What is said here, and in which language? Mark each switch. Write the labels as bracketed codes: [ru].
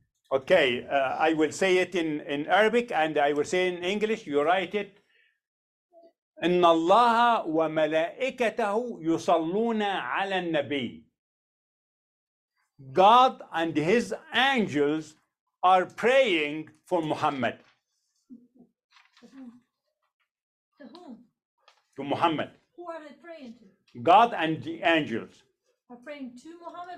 [en] Okay, I will say it in Arabic and I will say it in English. You write it. [ar] إن الله وملائكته يصلون على النبي. [en] God and his angels are praying for Muhammad. To whom? To Muhammad. Who are they praying to? God and the angels. Are praying to Muhammad